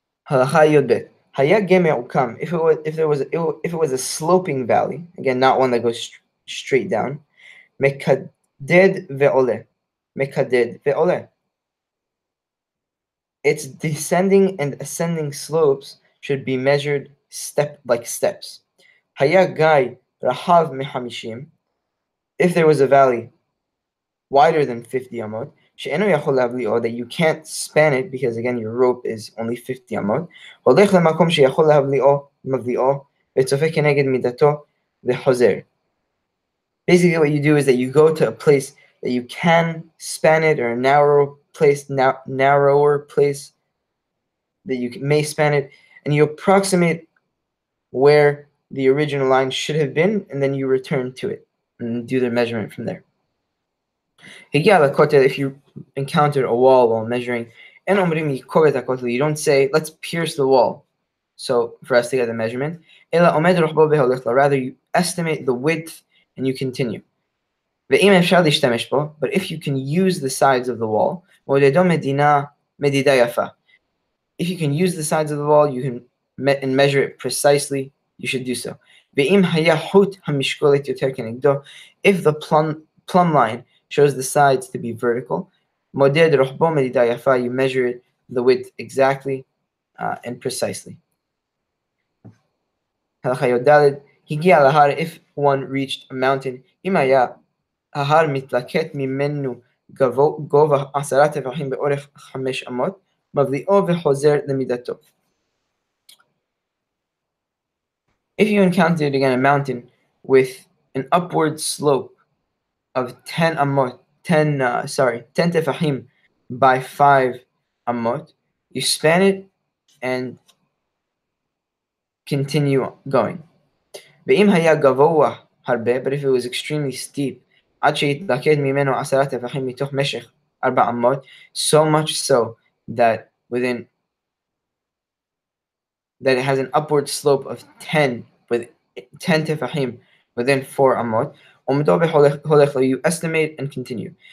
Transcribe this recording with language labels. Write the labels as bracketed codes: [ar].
[he] הלכה יוד בית. היה גמר עוקם. [en] If it was a sloping valley, again, not one that goes straight down, [he] מקדד ועולה. מקדד ועולה. [en] Its descending and ascending slopes should be measured step like steps. [he] היה גיא רחב מחמישים. [en] If there was a valley wider than 50 amot, [he] שאינו יכול להבליאו, [en] that you can't span it, because again, your rope is only 50 amot, [he] הולך למקום שיכול להבליאו, מבליאו, וצופה כנגד מידתו, וחוזר. [en] Basically, what you do is that you go to a place that you can span it, or a narrower place that you may span it, and you approximate where the original line should have been, and then you return to it, and do the measurement from there. [he] הגיע לכותל, [en] if you encounter a wall while measuring, [he] אין אומרים יקוב את הכותל, [en] you don't say, let's pierce the wall, so for us to get the measurement, [he] אלא עומד רוחבו והולך לו, [en] rather you estimate the width and you continue. [he] ואם אפשר להשתמש בו, [en] but if you can use the sides of the wall, [he] מודדו מדינה, מדידה יפה. [en] If you can use the sides of the wall, you can measure it precisely, you should do so. [he] ואם היה חוט המשקולת יותר כנגדו, [en] if the plumb line shows the sides to be vertical, [he] מודד רוחבו מדידה יפה, [en] you measure it, the width exactly and precisely. [he] הלכה יוד דלת, הגיע להר, [en] if one reached a mountain, [he] אם היה ההר מתלקט ממנו גובה 10 טפחים באורך 5 אמות, מבליאו וחוזר למידתו. [en] If you encountered again a mountain with an upward slope of 10 tefahim by 5 amot, you span it and continue going. [he] ואם היה גבוה הרבה, [en] but if it was extremely steep, [he] עד שיתלקד ממנו 10 תפחים מתוך משך 4 אמות, [en] so much so that it has an upward slope of 10 תפחים within 4 אמות, [he] עומדו והולך לו, [en] you estimate and continue.